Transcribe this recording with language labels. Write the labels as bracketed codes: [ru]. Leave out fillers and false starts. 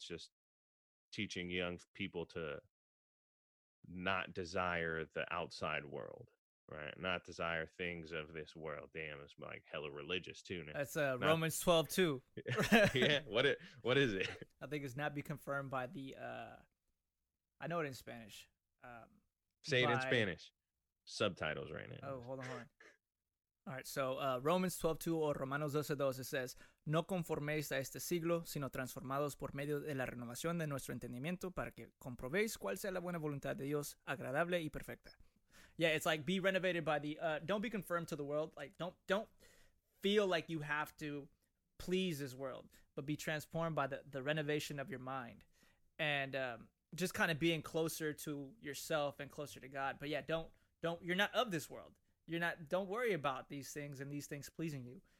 [en] It's just teaching young people to not desire the outside world, right? Not desire things of this world. Damn, it's like hella religious too. Now. That's Romans 12:2. Yeah, what is it? I think it's not be confirmed by the, I know it in Spanish. It in Spanish. Subtitles right now. Oh, hold on. [es] All right, so Romans 12:2 or Romanos 12:2, it says, no conforméis a este siglo, sino transformados por medio de la renovación de nuestro entendimiento para que comprobéis cuál sea la buena voluntad de Dios, agradable y perfecta. [en] Yeah, it's like be renovated by the, don't be conformed to the world. Like, don't feel like you have to please this world, but be transformed by the renovation of your mind. And just kind of being closer to yourself and closer to God. But yeah, don't, you're not of this world. You're not, don't worry about these things and these things pleasing you.